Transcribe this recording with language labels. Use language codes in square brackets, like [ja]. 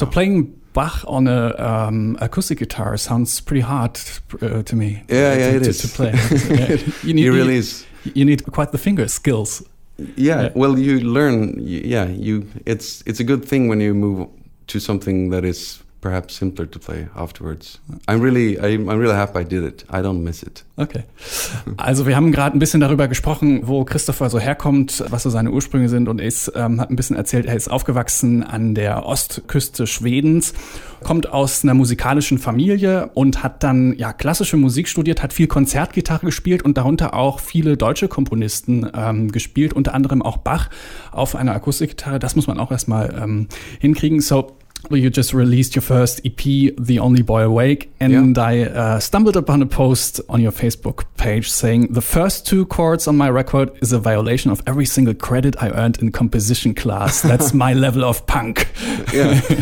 [en] So playing Bach on an acoustic guitar sounds pretty hard to me. Yeah, it is. To play. It really is. You need quite the finger skills. Yeah, well, you learn. Yeah, it's a good thing when you move to something that is perhaps simpler to play afterwards. I'm really happy I did it. I don't miss it. Okay. [de] Also wir haben gerade ein bisschen darüber gesprochen, wo Christopher so herkommt, was so seine Ursprünge sind und ist. Hat ein bisschen erzählt, er ist aufgewachsen an der Ostküste Schwedens, kommt aus einer musikalischen Familie und hat dann ja klassische Musik studiert, hat viel Konzertgitarre gespielt und darunter auch viele deutsche Komponisten gespielt, unter anderem auch Bach auf einer Akustikgitarre. Das muss man auch erstmal hinkriegen. [en] So, you just released your first EP, The Only Boy Awake, and I stumbled upon a post on your Facebook page saying, the first two chords on my record is a violation of every single credit I earned in composition class. That's my level of punk. Yeah.